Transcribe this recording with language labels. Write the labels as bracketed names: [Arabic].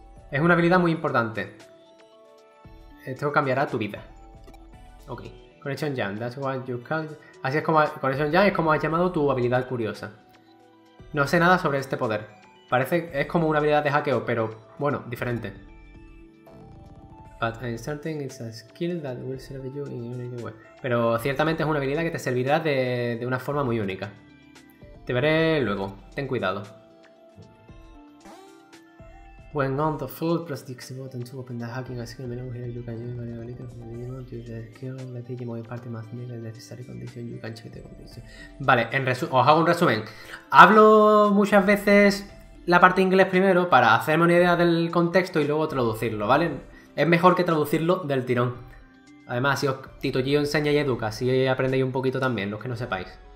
[Spanish] Es una habilidad muy importante. Esto cambiará tu vida. Ok. Connection Jam, [English] that's what you call. [Spanish] Así es como. Connection Jam es como has llamado tu habilidad curiosa. No sé nada sobre este poder. Parece. Es como una habilidad de hackeo, pero bueno, diferente. [English] But I'm certain it's a skill that will serve you in a unique way. [Spanish] Pero ciertamente es una habilidad que te servirá de una forma muy única. Te veré luego. Ten cuidado. [English] When on the floor, press the X button to open the hacking skill menu here. You can use the ability to use the skill of the Digimon in party must meet the necessary condition. You can check the condition. [Spanish] Vale, os hago un resumen. Hablo muchas veces la parte inglés primero para hacerme una idea del contexto y luego traducirlo, ¿vale? Es mejor que traducirlo del tirón. Además, si os Tito Gio enseña y educa, así aprendéis un poquito también, los que no sepáis.